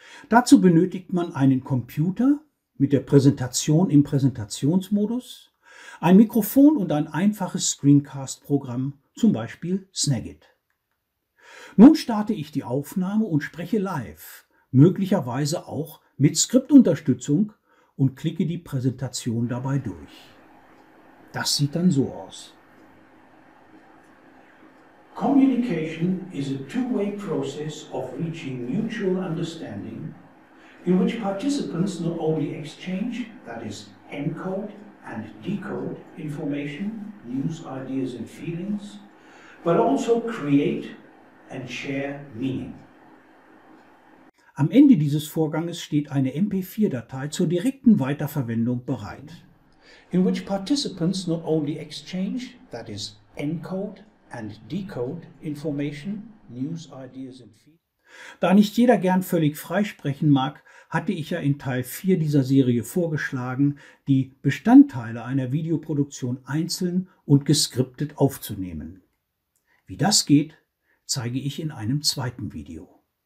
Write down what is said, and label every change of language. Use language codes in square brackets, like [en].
[de] Dazu benötigt man einen Computer mit der Präsentation im Präsentationsmodus, ein Mikrofon und ein einfaches Screencast-Programm, zum Beispiel Snagit. Nun starte ich die Aufnahme und spreche live, möglicherweise auch mit Skriptunterstützung und klicke die Präsentation dabei durch. Das sieht dann so aus. [en] Communication is a two-way process of reaching mutual understanding, in which participants not only exchange, that is, encode and decode information, news, ideas and feelings, but also create and share meaning. [de] Am Ende dieses Vorganges steht eine MP4-Datei zur direkten Weiterverwendung bereit. [en] In which participants not only exchange, that is, encode and decode information, news, ideas and feedback. [de] Da nicht jeder gern völlig freisprechen mag, hatte ich ja in Teil 4 dieser Serie vorgeschlagen, die Bestandteile einer Videoproduktion einzeln und geskriptet aufzunehmen. Wie das geht, zeige ich in einem zweiten Video.